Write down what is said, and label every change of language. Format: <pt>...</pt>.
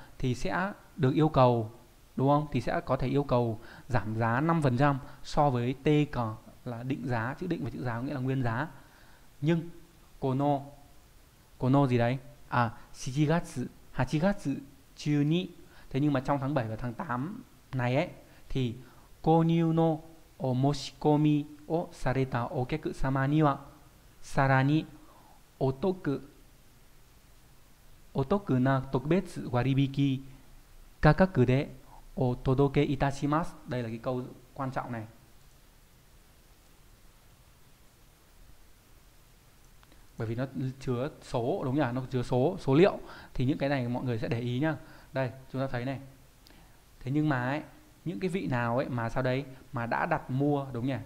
<vi>Thì sẽ được yêu cầu, đúng không? Thì sẽ có thể yêu cầu giảm giá 5% so với teika là định giá, chữ định và chữ giá có nghĩa là nguyên giá. Nhưng Kono gì đấy?</vi> <ja>Shigatsu, Hachigatsu, Chuni.</ja> <vi>Thế nhưng mà trong tháng 7 và tháng 8 này ấy, thì</vi> <ja>購入のお申し込みをされたお客様にはさらにお得な特別割引価格でお届けいたします。</ja> <vi>Đây là cái câu quan trọng này. Bởi vì nó chứa số đúng không nhỉ? Nó chứa số liệu thì những cái này mọi người sẽ để ý nhá. Đây, chúng ta thấy này. Thế nhưng mà ấy, những cái vị nào ấy mà sau đấy mà đã đặt mua đúng không nhỉ?</vi>